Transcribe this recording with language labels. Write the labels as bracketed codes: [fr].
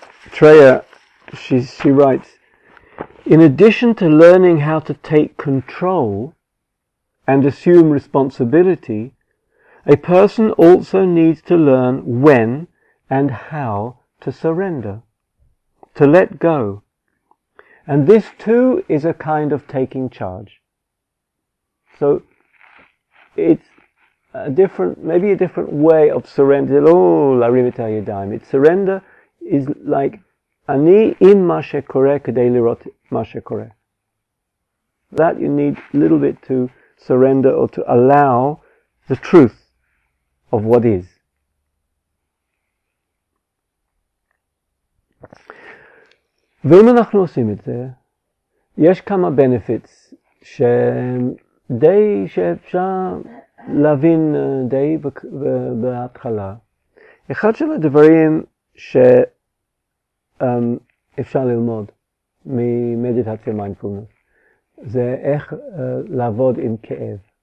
[en] Treya, she writes, in addition to learning how to take control and assume responsibility, a person also needs to learn when and how to surrender, to let go. And this too is a kind of taking charge. So it's a different, maybe a different way of surrender. [he] Oh, להרים את הידיים. [en] It's surrender is like, [he] אני עם מה שקורה כדי לראות מה שקורה. [en] That you need a little bit to surrender or to allow the truth of what is. [he] ואם אנחנו עושים את זה, יש כמה benefits שדי שאפשר להבין די בהתחלה. אחד של הדברים שאפשר ללמוד ממדיטציה מיינדפולנס, זה איך לעבוד עם כאב.